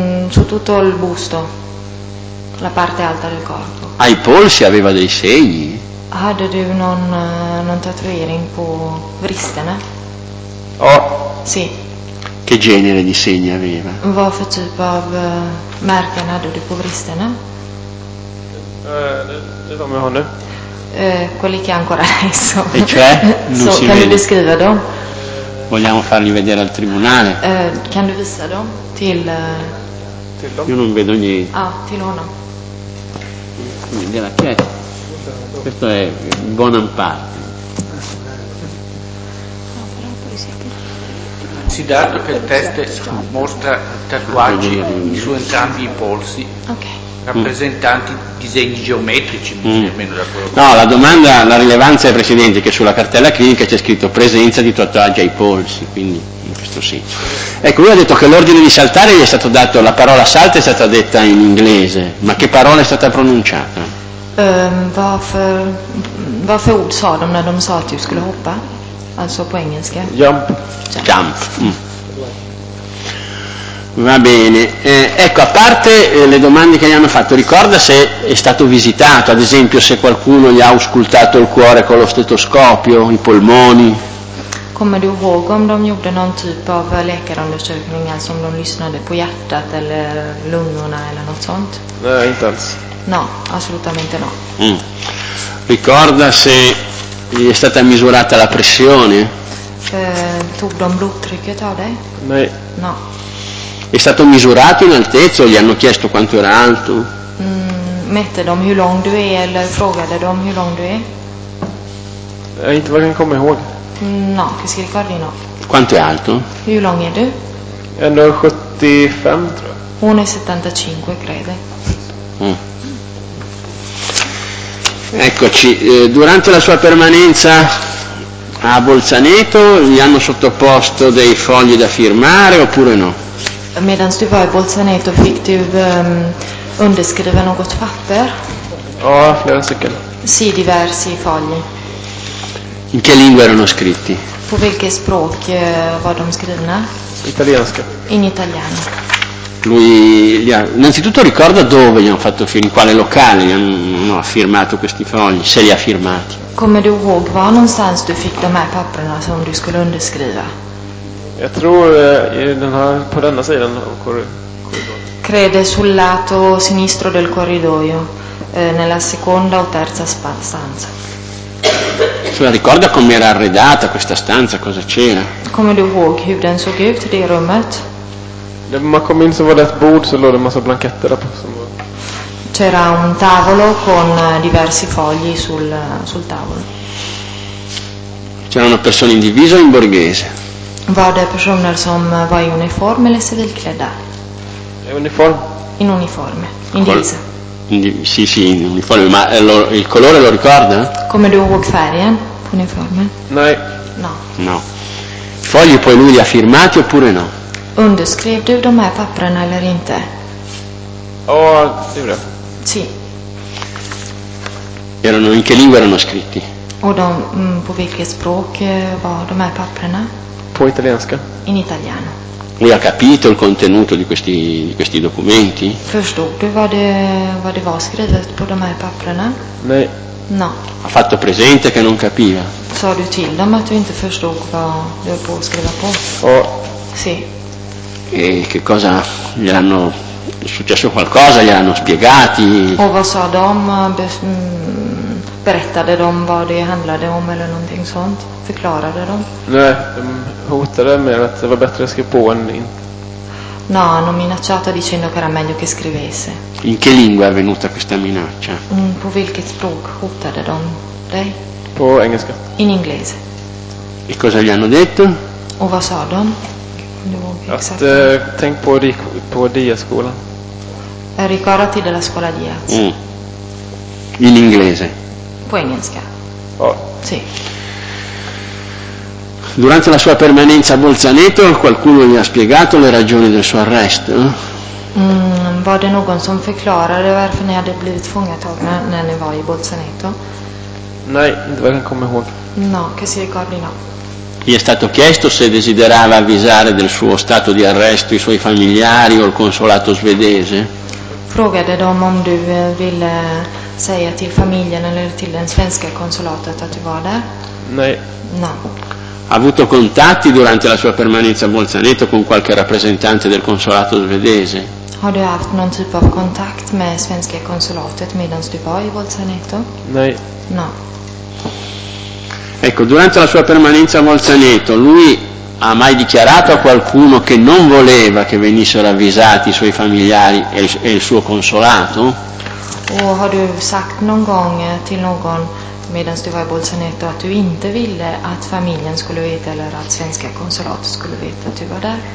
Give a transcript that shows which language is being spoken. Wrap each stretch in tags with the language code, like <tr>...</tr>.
<it>Su tutto il busto, la parte alta del corpo. Ai polsi aveva dei segni.</it> <sv>Hade du non tatuering på vristerna? Oh.</sv> <it>Sì. Che genere di segni aveva?</it> <sv>Vad för typ av märken hade du på vristerna? Det är de jag har nu.</sv> <it>Quelli che ancora adesso. E cioè? Non so, si</it> <sv>kan</sv> <it>vede.</it> <sv>Du beskriva dem?</sv> <it>Vogliamo farli vedere al tribunale.</it> <sv>Kan du visa dem till...</sv> <it>Io non vedo niente.</it> <sv>Ah, till honom.</sv> <it>Vedere a chi è? Questo è Bonham Park. Si dà che il test mostra tatuaggi su entrambi i polsi. Ok. Rappresentanti disegni geometrici, almeno da quello. No, la domanda, la rilevanza è, presidente, che sulla cartella clinica c'è scritto presenza di tatuaggi ai polsi, quindi in questo senso. Ecco, lui ha detto che l'ordine di saltare gli è stato dato, la parola salta è stata detta in inglese, ma che parola è stata pronunciata?</it> <sv>Varför ord sa de när de sa att du skulle hoppa? Alltså på engelska.</sv> <en>Jump.</en> <it>Va bene, ecco, a parte le domande che gli hanno fatto, ricorda se è stato visitato, ad esempio se qualcuno gli ha auscultato il cuore con lo stetoscopio, i polmoni?</it> <sv>Kommer du ihåg om de gjorde någon typ av läkarundersökning, alltså om de lyssnade på hjärtat eller lungorna eller något sånt? Nej, inte alls.</sv> <it>No, assolutamente no. Ricorda se gli è stata misurata la pressione?</it> <sv>Tog de blodtrycket av dig? Nej.</sv> <it>No. È stato misurato in altezza o gli hanno chiesto quanto era alto?</it> <sv>Mette dem hur lång du är eller frågade dem hur lång du är? Inte vad jag kommer ihåg.</sv> <it>No, che si ricordi no. Quanto è alto?</it> <sv>Hur lång är du? 1,75 tror jag.</sv> <it>1,75 crede. Eccoci, durante la sua permanenza a Bolzaneto gli hanno sottoposto dei fogli da firmare oppure no?</it> <sv>Medan du var i Bolzaneto fick du underskriva något papper? Ja, flera stycken.</sv> <it>Sì, diversi fogli. In che lingua erano scritti?</it> <sv>På vilket språk var de skrivna? Italienska.</sv> <it>In italiano. Lui, innanzitutto ricorda dove gli hanno fatto firmare, in quale locale gli hanno firmato questi fogli, se li ha firmati.</it> <sv>Kommer du ihåg var någonstans du fick de här papperna som du skulle underskriva? Jag tror på denna sidan av korridoren.</sv> <it>Crede sul lato sinistro del corridoio, nella seconda o terza stanza. Cioè, ricorda com'era arredata questa stanza, cosa c'era?</it> <sv>Come du ihåg hur den såg ut, det rummet? Man kom in så var det ett bord så låg det en massa blanketter där på.</sv> <it>C'era un tavolo con diversi fogli sul tavolo. C'era una persona in divisa o in borghese?</it> <sv>Var det personer som var i uniform eller civilklädda? Uniform.</sv> <it>In uniforme, in divisa. Sì, sì, in uniforme, ma il colore lo ricorda? Come du vuoi fare, uniforme? No. No. I fogli poi lui li ha firmati oppure no?</it> <sv>Underskrev du de här papperna eller inte?</sv> <it>Oh, sì, bra. Sì. Erano in che lingua erano scritti?</it> <sv>Och de, på vilket språk var de här papperna? På italienska.</sv> <it>In italiano. Lui ha capito il contenuto di questi documenti?</it> <sv>Förstod du vad det var skrivet på de här papperna? Nej.</sv> <it>No. Ha fatto presente che non capiva?</it> <sv>Sa du till dem att du inte förstod vad du var på att skriva på? Oh.</sv> <it>Sì. E che cosa gli hanno... è successo qualcosa, gli hanno spiegati?</it> <sv>Och vad sa de? Berättade de vad det handlade om eller någonting sånt? Förklarade de? Nej, de hotade med att det var bättre att skriva på än inte.</sv> <it>No, hanno minacciato dicendo che era meglio che scrivesse. In che lingua è venuta questa minaccia?</it> <sv>På vilket språk hotade de dig? På engelska.</sv> <it>In inglese. E cosa gli hanno detto?</it> <sv>Och vad sa de? Att tänk på Diaz-skolan.</sv> <it>Ricordati della scuola Diaz. In inglese.</it> <sv>På engelska. Oh.</sv> <it>Sì. Durante la sua permanenza a Bolzaneto qualcuno gli ha spiegato le ragioni del suo arresto?</it> <sv>Var det någon som förklarade varför ni hade blivit fångatagna när ni var i Bolzaneto? Nej, inte vad jag kommer ihåg.</sv> <it>No, che si ricordi no. Gli è stato chiesto se desiderava avvisare del suo stato di arresto i suoi familiari o il consolato svedese?</it> <sv>Frågade de om du ville säga till familjen eller till den svenska konsulatet att du var där? Nej.</sv> <it>No. Ha avuto contatti durante la sua permanenza a Bolzaneto con qualche rappresentante del consolato svedese?</it> <sv>Har du haft någon typ av kontakt med svenska konsulatet medan du var i Bolzaneto? Nej.</sv> <it>No. Ecco, durante la sua permanenza a Bolzaneto, lui ha mai dichiarato a qualcuno che non voleva che venissero avvisati i suoi familiari e il suo consolato?</it> <sv>O har du sagt någon gång till någon medan du var i Bolzaneto att du inte ville att familjen skulle veta eller att svenska konsulatet skulle veta att du var där?</sv>